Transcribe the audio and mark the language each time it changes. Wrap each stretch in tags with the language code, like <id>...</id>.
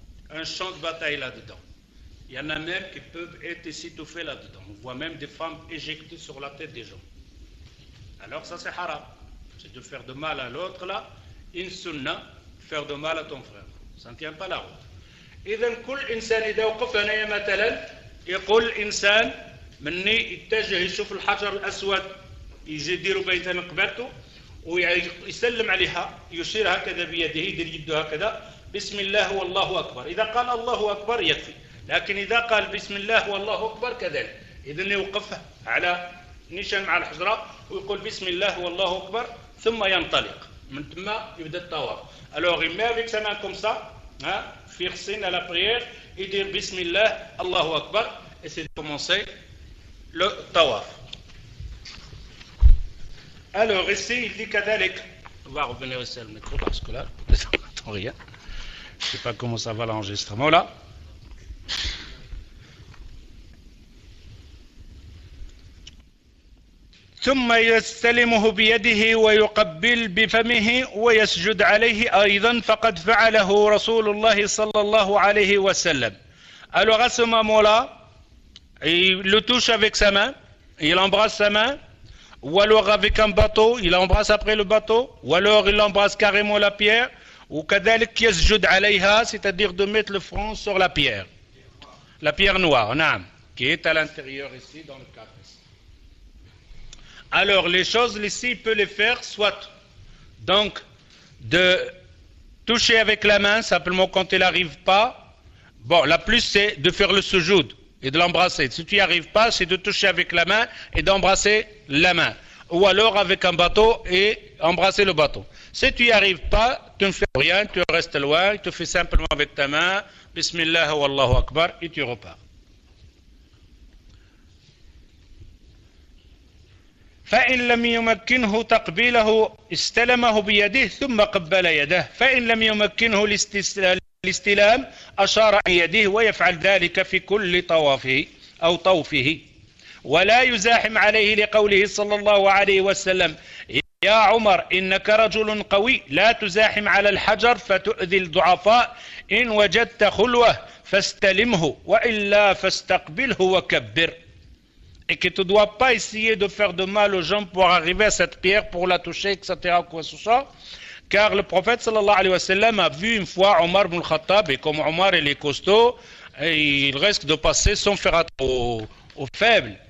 <fr>Un champ de bataille là-dedans. Il y en a même qui peuvent être étouffés là-dedans. On voit même des femmes éjectées sur la tête des gens. Alors ça c'est haram, c'est de faire de mal à l'autre là, une sunna, faire de mal à ton frère, ça ne tient pas la route.</fr> <ar>إذن كل إنسان إذا وقف هنا مثلا يقول إنسان مني يتجه يشوف الحجر الأسود يجي يديره بيته من قبرته ويسلم عليها يشير هكذا بيده يدير يده هكذا بسم الله والله أكبر. إذا قال الله أكبر يكفي، لكن إذا قال بسم الله والله أكبر كذلك. إذن يوقف على نيشان مع الحجرة ويقول بسم الله والله أكبر ثم ينطلق من ثم يبدأ الطواف.</ar> <fr>Alors il met avec sa main comme ça, hein, fixine à la prière, il dit</fr> <ar>بسم الله الله أكبر</ar> <fr>et c'est de commencer le tawaf. Alors ici il dit كذلك. On va revenir ici à le micro parce que là on n'entend rien. Je ne sais pas comment ça va l'enregistrement là.</fr> <ar>ثم يستلمه بيده ويقبل بفمه ويسجد عليه أيضا فقد فعله رسول الله صلى الله عليه وسلم.</ar> <fr>Alors à ce moment-là, il le touche avec sa main, il embrasse sa main, ou alors avec un bateau, il embrasse après le bateau, ou alors il embrasse carrément la pierre, ou</fr> <ar>كذلك يسجد عليها,</ar> <fr>c'est-à-dire de mettre le front sur la pierre. La pierre noire, naam, qui est à l'intérieur ici dans le cadre. Alors les choses ici, il peut les faire, soit donc de toucher avec la main, simplement quand il n'arrive pas. Bon, la plus c'est de faire le sujoud et de l'embrasser. Si tu n'y arrives pas, c'est de toucher avec la main et d'embrasser la main. Ou alors avec un bateau et embrasser le bateau. Si tu n'y arrives pas, tu ne fais rien, tu restes loin, tu fais simplement avec ta main,</fr> <ar>Bismillah wa Allahu Akbar,</ar> <fr>et tu repars.</fr> <ar>فإن لم يمكنه تقبيله استلمه بيده ثم قبل يده فإن لم يمكنه الاستلام أشار بيده ويفعل ذلك في كل طوافه أو طوفه ولا يزاحم عليه لقوله صلى الله عليه وسلم يا عمر إنك رجل قوي لا تزاحم على الحجر فتؤذي الضعفاء إن وجدت خلوة فاستلمه وإلا فاستقبله وكبر.</ar> <fr>Et que tu ne dois pas essayer de faire de mal aux gens pour arriver à cette pierre, pour la toucher, etc. Quoi ce soit. Car le prophète</fr> <ar>sallallahu alayhi wa sallam</ar> <fr>a vu une fois Omar ibn al-Khattab, et comme Omar il est costaud, il risque de passer sans faire attention aux faibles.</fr>